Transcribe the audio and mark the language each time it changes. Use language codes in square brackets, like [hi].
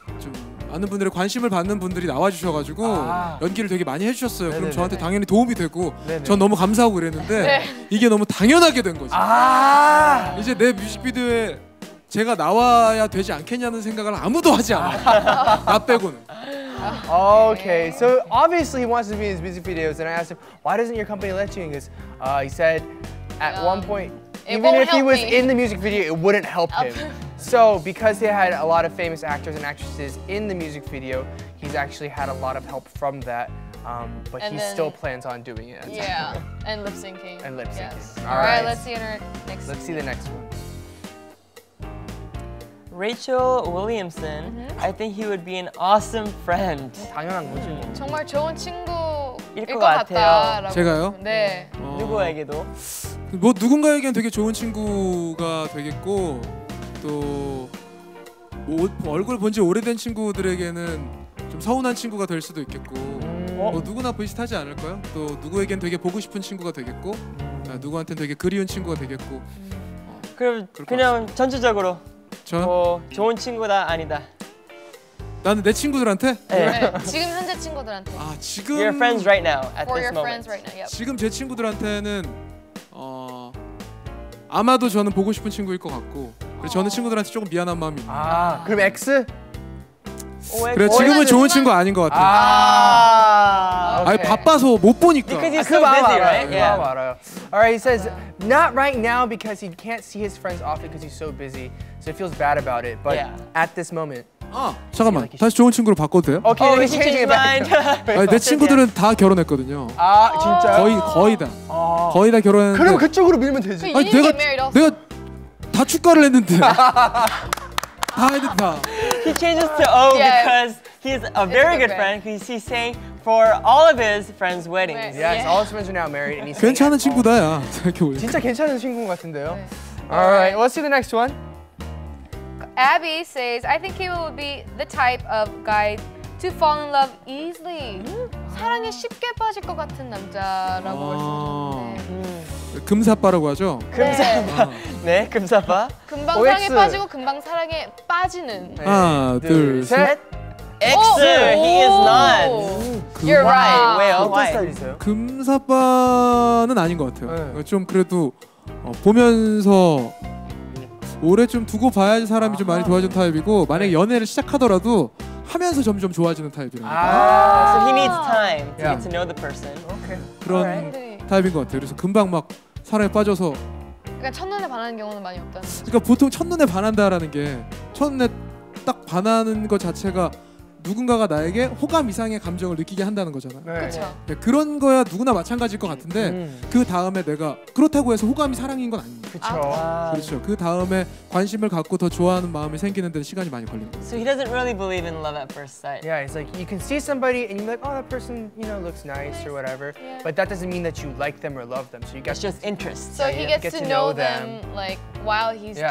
[ko] 좀 많은 분들의 관심을 받는 분들이 나와주셔가지고 연기를 되게 많이 해주셨어요. 네네네. 그럼 저한테 당연히 도움이 되고 네네. 전 너무 감사하고 그랬는데 네. 이게 너무 당연하게 된 거죠. 이제 내 뮤직비디오에 제가 나와야 되지 않겠냐는 생각을 아무도 하지 않아요. 나 빼고는. [en] Okay, so obviously he wants to be in his music videos and I asked him, why doesn't your company let you? And he said at one point, even if he was in the music video, it wouldn't help him. So, because he had a lot of famous actors and actresses in the music video, he's actually had a lot of help from that, but he still plans on doing it. Yeah, and lip syncing. And lip syncing. Yes. All right, let's see our next one. Let's see the next one. Rachel Williamson, mm-hmm. I think he would be an awesome friend. [ko] 당연한 거지. 정말 좋은 친구일 것 같아요. 제가요? 네. 누구에게도? 뭐 누군가에겐 되게 좋은 친구가 되겠고 또 뭐 얼굴 본 지 오래된 친구들에게는 좀 서운한 친구가 될 수도 있겠고 뭐 누구나 비슷하지 않을까요? 또 누구에겐 되게 보고 싶은 친구가 되겠고 누구한테는 되게 그리운 친구가 되겠고 그럼 그냥 전체적으로 저? 뭐 좋은 친구다 아니다 나는 내 친구들한테? 네. 지금 현재 친구들한테 아 지금 [en] Your friends right now at For this your friends right now, yep. [ko] 지금 제 친구들한테는 아마도 저는 보고 싶은 친구일 것 같고 그래서 저는 친구들한테 조금 미안한 마음이 있는 아 그럼 X? 그래 지금은 오, 좋은 친구 아닌 것 같아 아 아니 바빠서 못 보니까 [en] Because he's so busy, right? [ko] 그거 알아요 [en] Alright, he says Not right now because he can't see his friends often because he's so busy So it feels bad about it But yeah. at this moment [ko] 아 잠깐만 like 다시 좋은 친구로 바꿔도 돼요? [en] Okay, oh, changing mind. mind. [ko] 아니, 내 친구들은 다 결혼했거든요. 아 진짜 거의 다 아. 거의 다 결혼했는데 그럼 그쪽으로 밀면 되지. 아니, 내가 다 축가를 했는데 다 했는데 다. [en] He changes to O yeah. because he's a very good friend. He's saying for all of his friends' weddings. Yes, yeah, so all his friends are now married. And he's [ko] 괜찮은 친구다야. 진짜 괜찮은 친구인 것 같은데요. [en] Alright, let's see the next one. Abby says, I think K.Will would be the type of guy to fall in love easily. [ko] 사랑에 쉽게 빠질 것 같은 남자라고 하셨는데 금사빠라고 하죠? 금사빠. 네, 금사빠. 금방 OX. 사랑에 빠지고 금방 사랑에 빠지는. 네. 하나, 둘, 셋. [en] X, he is not. You're right. Why? [ko] 어떤 스타일이세요? 금사빠는 아닌 것 같아요. 네. 좀 그래도 보면서 올해 좀 두고 봐야지 사람이 아하. 좀 많이 좋아진 타입이고 만약에 연애를 시작하더라도 하면서 점점 좋아지는 타입이라고 [en] 아~ So he needs time to yeah. get to know the person okay. [ko] 그런 right. 타입인 것 같아요 그래서 금방 막 사랑에 빠져서 그러니까 첫눈에 반하는 경우는 많이 없다는 거죠? 그러니까 보통 첫눈에 반한다라는 게 첫눈에 딱 반하는 것 자체가 누군가가 나에게 호감 이상의 감정을 느끼게 한다는 거잖아요 네. 그렇죠 네, 그런 거야 누구나 마찬가지일 것 같은데 그 다음에 내가 그렇다고 해서 호감이 사랑인 건 아니에요 그렇죠 아. 그렇죠 그 다음에 관심을 갖고 더 좋아하는 마음이 생기는 데는 시간이 많이 걸립니다 [en] So he doesn't really believe in love at first sight Yeah, it's like you can see somebody and you're like oh, that person you know, looks nice or whatever yeah. But that doesn't mean that you like them or love them so you It's just interest So he gets to know them like while he's yeah.